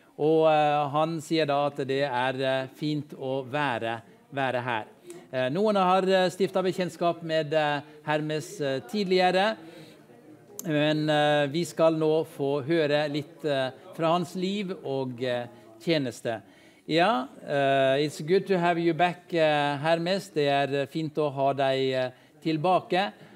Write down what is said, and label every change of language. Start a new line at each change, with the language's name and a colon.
Norwegian: Og han sier da at det er fint å være her. Noen har stiftet bekjennskap med Hermes tidligere, men vi skal nå få høre litt fra hans liv og tjeneste.
English: Ja, it's good to have you back, Hermes.
Norwegian: Det er fint å ha deg tilbake.